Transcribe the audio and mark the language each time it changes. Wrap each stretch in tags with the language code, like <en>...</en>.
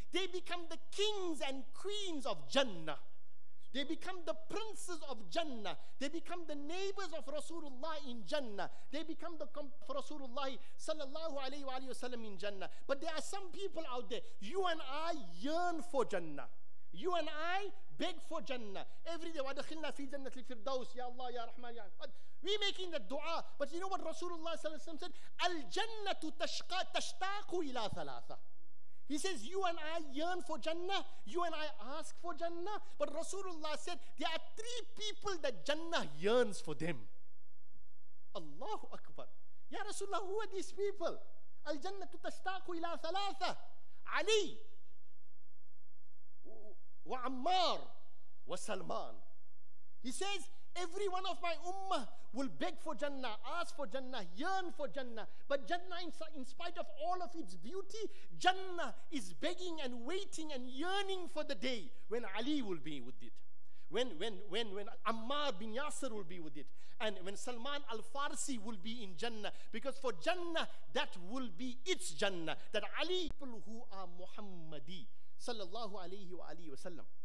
<en>They become the kings and queens of Jannah. They become the princes of Jannah. They become the neighbors of Rasulullah in Jannah. They become the for Rasulullah sallallahu alayhi wa sallam in Jannah. But there are some people out there, you and I yearn for Jannah. You and I beg for Jannah. Every day,</en> <ar>وَدَخِلْنَا فِي جَنَّةِ الْفِرْدَوْسِ يَا اللَّهِ يَا رَحْمَنِ يَا رَحْمَنِ.</ar> <en>We're making that dua. But you know what Rasulullah ﷺ said?</en> <ar>الْجَنَّةُ تَشْتَاقُ إِلَىٰ ثَلَاثَ.</ar> <en>He says, you and I yearn for Jannah. You and I ask for Jannah. But Rasulullah said, there are three people that Jannah yearns for them. Allahu Akbar. Ya Rasulullah, who are these people?</en> <ar>الْجَنَّةُ تَشْتَاقُ إِلَىٰ ثَلَاثَ. Ali, وعمار وسلمان.</ar> <en>He says, every one of my ummah will beg for Jannah, ask for Jannah, yearn for Jannah. But Jannah, in spite of all of its beauty, Jannah is begging and waiting and yearning for the day when Ali will be with it. When Ammar bin Yasir will be with it, and when Salman al-Farsi will be in Jannah, because for Jannah, that will be its Jannah, that Ali, people who are Muhammadi, sallallahu alayhi wa alayhi wa sallam.</en>